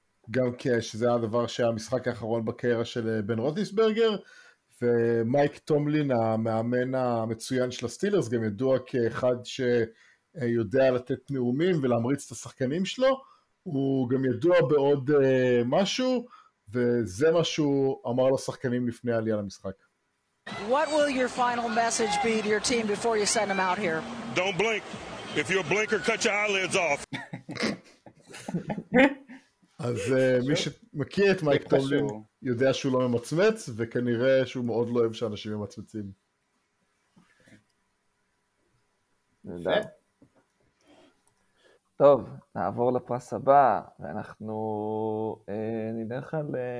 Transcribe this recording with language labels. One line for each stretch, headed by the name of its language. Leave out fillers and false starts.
Hebrew: גם שזה היה הדבר שהיה המשחק האחרון בקריירה של בן רוטיסברגר, ומייק טומלין, המאמן המצוין של הסטילרס, גם ידוע כאחד שיודע לתת נאומים ולהמריץ את השחקנים שלו, הוא גם ידוע בעוד משהו, וזה מה שהוא אמר לשחקנים לפני העלייה למשחק.
English: What will your final message be to your team before you send them out here? Don't blink. If you're a blinker, cut your eyelids off.
Hebrew: אז מי שמכיר את מייק טומלין יודע שהוא לא ממצמץ, וכנראה שהוא מאוד לא אוהב שאנשים ממצמצים. טוב, נעבור לפרס הבא, ואנחנו נלך על...